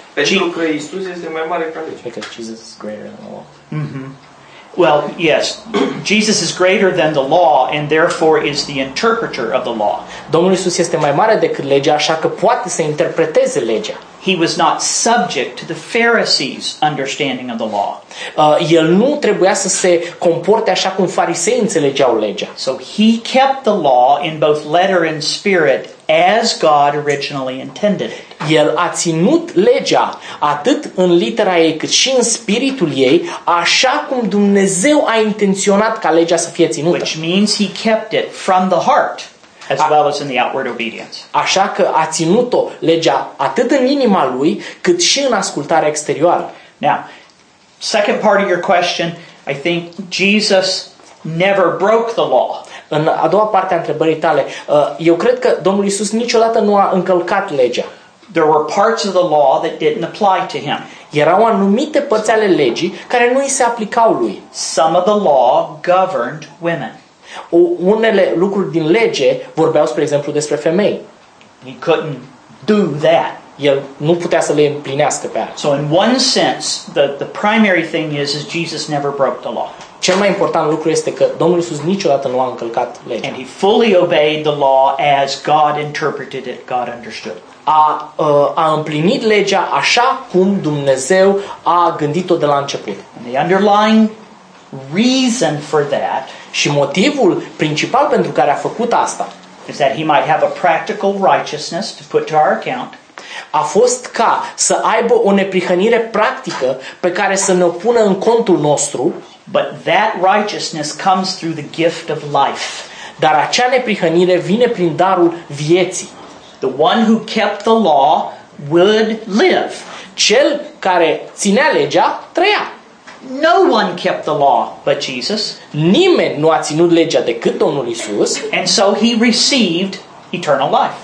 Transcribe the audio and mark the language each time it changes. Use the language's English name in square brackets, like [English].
[Romanian] pentru că Iisus este mai mare ca lege. [English] Because Jesus is greater than the law. Mm-hmm. Well, yes. Jesus is greater than the law and therefore is the interpreter of the law. [Romanian] Domnul Iisus este mai mare decât legea, așa că poate să interpreteze legea. [English] He was not subject to the Pharisees' understanding of the law. [Romanian] El nu trebuia să se comporte așa cum farisei înțelegeau legea. [English] So he kept the law in both letter and spirit as God originally intended it. [Romanian] El a ținut legea atât în litera ei cât și în spiritul ei, așa cum Dumnezeu a intenționat ca legea să fie ținută. [English] Which means he kept it from the heart. As well as in the outward obedience. [Romanian] Așa că a ținut-o legea atât în inima lui, cât și în ascultarea exterioară. [English] Now, second part of your question, I think Jesus never broke the law. [Romanian] În a doua parte a întrebării tale, eu cred că Domnul Iisus niciodată nu a încălcat legea. [English] There were parts of the law that didn't apply to him. [Romanian] Erau anumite părți ale legii care nu i se aplicau lui. [English] Some of the law governed women. [Romanian] Unele lucruri din lege vorbeau, spre exemplu, despre femei. [English] He couldn't do that. [Romanian] El nu putea să le împlinească pe alea. [English] So in one sense, the primary thing is Jesus never broke the law. [Romanian] Cel mai important lucru este că Domnul Iisus niciodată nu a încălcat legea. [English] And he fully obeyed the law as God interpreted it, God understood. [Romanian] A împlinit legea așa cum Dumnezeu a gândit-o de la început. [English] And the underlying reason for that. [Romanian] Și motivul principal pentru care a făcut asta [English] is that he might have a practical righteousness to put to our account. [Romanian] A fost ca să aibă o neprihănire practică pe care să ne-o pună în contul nostru, [English] but that righteousness comes through the gift of life. [Romanian] Dar acea neprihănire vine prin darul vieții. [English] The one who kept the law would live. [Romanian] Cel care ținea legea trăia. [English] No one kept the law but Jesus. [Romanian] Nimeni nu a ținut legea decât Domnul Iisus. [English] And so he received eternal life.